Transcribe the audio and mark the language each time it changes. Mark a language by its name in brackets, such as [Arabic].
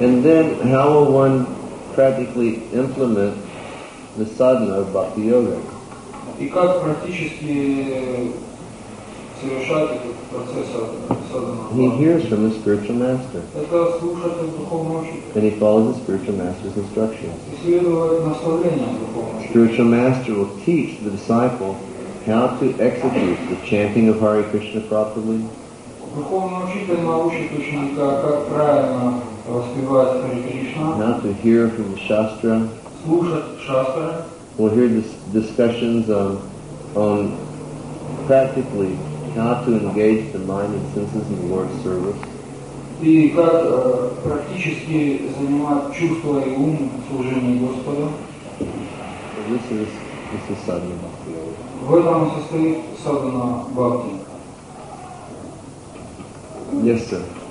[English] And then how will one practically implement the sadhana of bhakti yoga? [Russian] И как практически совершать этот процесс садхана. [English] He hears from the spiritual master. [Russian] Это слушает от духовного учителя. [English] And he follows the spiritual master's instructions. [Russian] И следует наставление духовного учителя. [English] Spiritual master will teach the disciple how to execute the chanting of Hare Krishna properly. [Russian] Духовный учитель научит ученика, как правильно воспевать Хари Кришна. [English] How to hear from the Shastra. [Russian] Слушать Шастра. [English] We'll hear discussions on practically how to engage the mind and senses in the Lord's service. [Russian] И как практически занимать чувства и ум в служении Господу. [English] So this is Sadhana Bhakti. [Russian] В этом состоит Sadhana Bhakti. [English] Yes, sir.